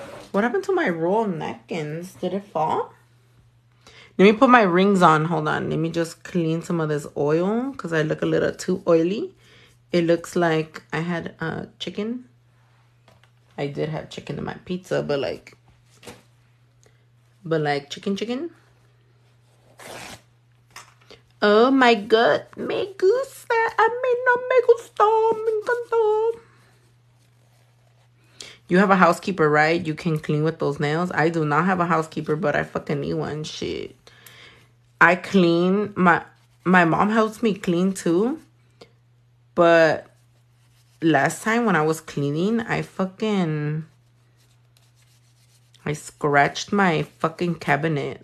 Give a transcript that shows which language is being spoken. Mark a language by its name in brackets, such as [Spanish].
[English] What happened to my roll of napkins? Did it fall? Let me put my rings on. Hold on. Let me just clean some of this oil because I look a little too oily. It looks like I had chicken. I did have chicken in my pizza, but like chicken. Oh my god, [Spanish] me gusta, a mí no me gusta, me encantó. [English] You have a housekeeper, right? You can clean with those nails. I do not have a housekeeper, but I fucking need one. Shit. I clean, my mom helps me clean too. But last time when I was cleaning, I scratched my fucking cabinet.